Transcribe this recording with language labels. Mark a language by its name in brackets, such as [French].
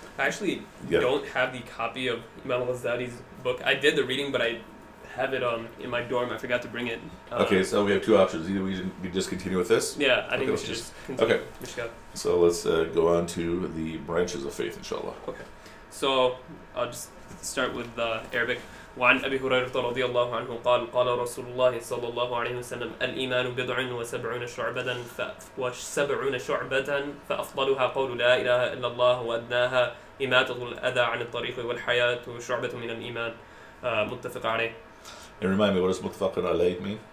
[English] I don't have the copy of Imam al-Ghazali's book. I did the reading, but I have it in my dorm. I forgot to bring it. Okay, so we have two options. Either we just continue with this. Yeah, I think we should just continue. Okay. So let's go on to the branches of faith, inshallah. Okay. So I'll just start with the Arabic. [Arabic] وعن أبي هريرة رضي الله عنه قال قال رسول الله صلى الله عليه وسلم الإيمان بضع وسبعون شعبة فأفضلها قول لا إله إلا الله وأدناها إماتة الأذى عن الطريق والحياة شعبة من الإيمان. متفق عليه. [English] And remind me, what does mutfaqin alayh mean?